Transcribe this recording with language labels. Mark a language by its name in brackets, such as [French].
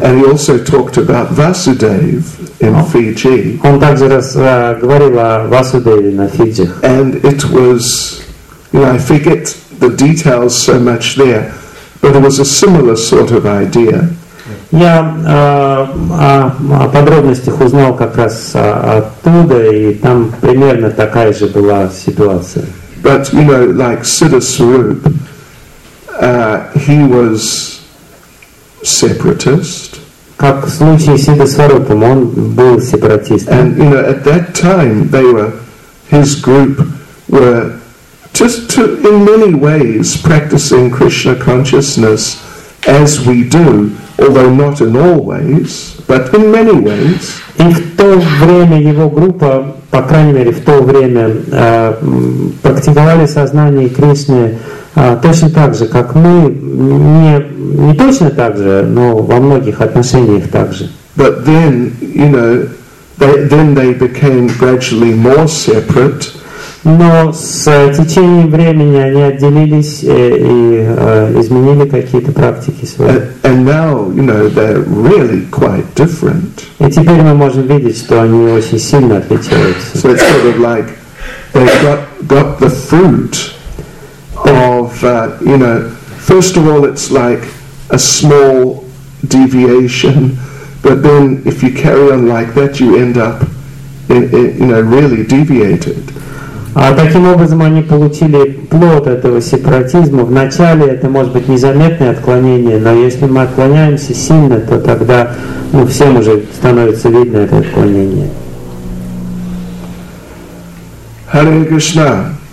[English] And he also talked about Vasudev in Fiji. [Russian] Он также говорил о Васудеве на Фиджи. [English] And it was, you know, I forget the details so much there, but it was a similar sort of idea. [Russian] Я о подробностях узнал как раз оттуда, и там примерно такая же была ситуация. [English] But, you know, like Siddha Swarup, he was separatist. [Russian] Как в случае с Сиддхи Сварупом, он был сепаратистом. [English] And, you know, at that time, his group were in many ways practicing Krishna consciousness as we do, although not in all ways, but in many ways. [Russian] И в то время его группа, по крайней мере, в то время практиковали сознание Кришны точно так же, как мы, не точно так же, но во многих отношениях так же. [English] But then, you know, they became gradually more separate. [Russian] Но с течением времени они отделились и изменили какие-то практики свои. [English] And now, you know, they're really quite different. [Russian] И теперь мы можем видеть, что они очень сильно отличаются. [English] So it's sort of like they've got the fruit of, you know, first of all, it's like a small deviation, but then if you carry on like that, you end up, in, you know, really deviated. [Russian] А таким образом они получили плод этого сепаратизма. Вначале это может быть незаметное отклонение, но если мы отклоняемся сильно, то тогда ну, всем уже становится видно это отклонение. [Sanskrit] Hare Krishna.